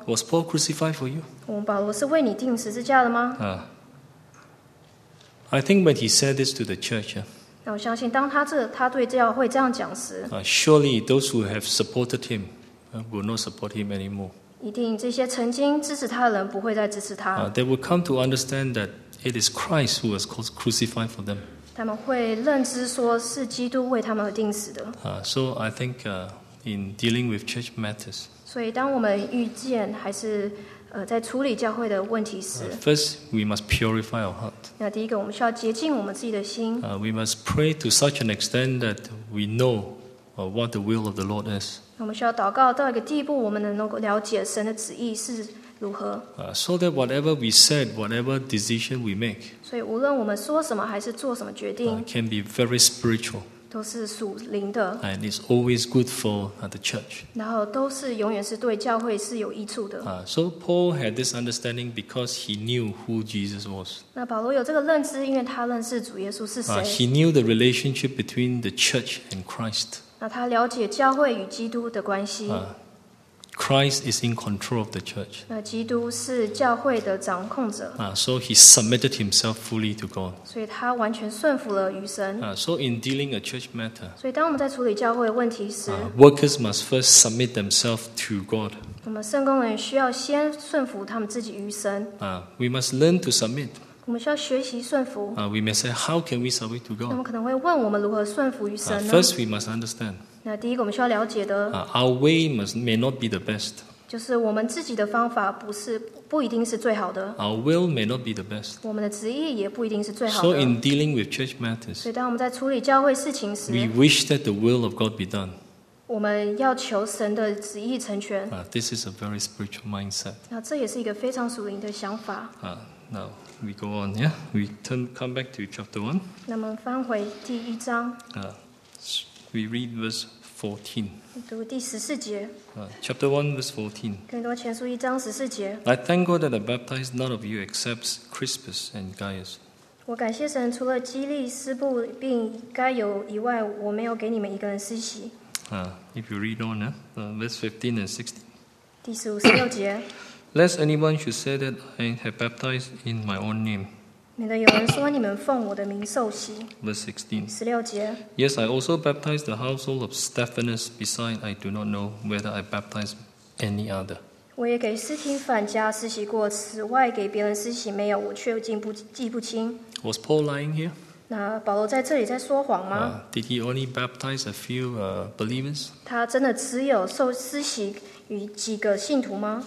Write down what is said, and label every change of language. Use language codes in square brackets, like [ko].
[en] Was Paul crucified for you? [zh] 我们保罗是为你钉十字架的吗? [en] I think when he said this to the church, [zh] 那我相信当他对教会这样讲时, [en] surely those who have supported him will not support him anymore. [zh] 一定这些曾经支持他的人不会再支持他。 [en] They will come to understand that it is Christ who was crucified for them. [zh] 他们会认知说是基督为他们而定死的。 [en] So I think in dealing with church matters. [zh] 所以当我们遇见还是在处理教会的问题时 [en] ，First we must purify our heart. [zh] 那第一个，我们需要洁净我们自己的心。 [en] We must pray to such an extent that we know what the will of the Lord is. [zh] 我们需要祷告到一个地步，我们能够了解神的旨意是。 [en] So that whatever we said, whatever decision we make, [zh] 所以无论我们说什么还是做什么决定 [en] can be very spiritual, [zh] 都是属灵的 [en] and it's always good for the church. [zh] 然后都是永远是对教会是有益处的 [en] So Paul had this understanding because he knew who Jesus was. [zh] 那保罗有这个认知，因为他认识主耶稣是谁 [en] He knew the relationship between the church and Christ. [zh] 那他了解教会与基督的关系 [en] Christ is in control of the church. [zh] 那基督是教会的掌控者。 [en] So he submitted himself fully to God. [zh] 所以他完全顺服了于神。 [en] So in dealing a church matter. [zh] 所以当我们在处理教会问题时 [en] workers must first submit themselves to God. [zh] 我们圣工人需要先顺服他们自己于神。 [en] We must learn to submit. [zh] 我们需要学习顺服。 [en] We may say, how can we submit to God? [zh] 那我们可能会问我们如何顺服于神呢 [en] First we must understand. [zh] 那第一个我们需要了解的 [en] Our way may not be the best. [zh] 就是我们自己的方法不一定是最好的。 [en] Our will may not be the best. [zh] 我们的旨意也不一定是最好的。 [en] So in dealing with church matters, [zh] 所以当我们在处理教会事情时 [en] we wish that the will of God be done. [zh] 我们要求神的旨意成全。 [en] This is a very spiritual mindset. [zh] 那这也是一个非常属灵的想法。 [en] Now we go on, yeah? We come back to chapter 1. [zh] 那么翻回第一章。 [en] We read verse 14. [zh] 读第十四节。 [en] Chapter 1, verse 14. [zh] 更多前书一章十四节。 [en] I thank God that I baptized none of you except Crispus and Gaius. [zh] 我感谢神，除了基利、斯布并该犹以外，我没有给你们一个人施洗。 [en] If you read on, verse 15 and 16. [zh] 第十五、十六节。 [en] Lest anyone should say that I have baptized in my own name. [zh] 免得有人说你们奉我的名受洗。 [en] Verse 16. [zh] 十六节。 [en] Yes, I also baptized the household of Stephanas. Besides, I do not know whether I baptized any other. [zh] 我也给斯提凡家施洗过，此外给别人施洗没有，我却记不清。 [en] Was Paul lying here? [zh] 那保罗在这里在说谎吗？ [en] Did he only baptize a few believers? [zh] 他真的只有受施洗与几个信徒吗？